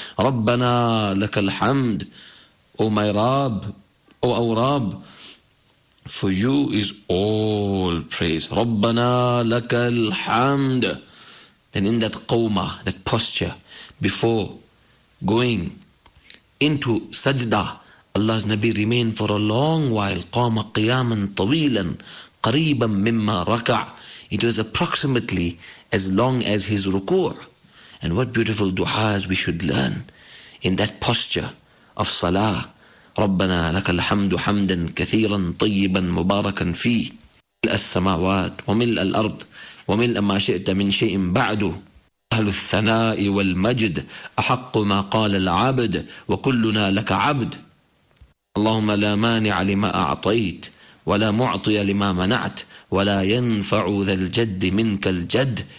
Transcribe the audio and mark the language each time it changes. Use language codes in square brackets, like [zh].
[ar] رَبَّنَا لَكَ الْحَمْدُ [en] O my Rab, O our Rab, For you is all praise. [ar] رَبَّنَا لَكَ الْحَمْدَ. [en] Then in that qawma, that posture, before going into sajda, Allah's Nabi remained for a long while. [ar] قَامَ قِيَامًا طَوِيلًا قَرِيبًا مِمَّا رَكَعَ. [en] It was approximately as long as his ruku'. And what beautiful du'as we should learn in that posture of salah. [ar] رَبَّنَا لَكَ الْحَمْدُ حَمْدًا كَثِيرًا طَيِّبًا مُبَارَكًا فِيهِ السَّمَاوَاتِ وَمِلْءَ الْأَرْضِ وَمِلْءَ مَا شِئْتَ مِنْ شَيْءٍ بَعْدُ أَهْلُ الثَّنَاءِ وَالْمَجْدِ أَحَقُّ مَا قَالَ الْعَبْدِ وَكُلُّنَا لَكَ عَبْدِ اللهم لا مانع لما أعطيت ولا معطي لما منعت ولا ينفع ذا الجد منك الجد.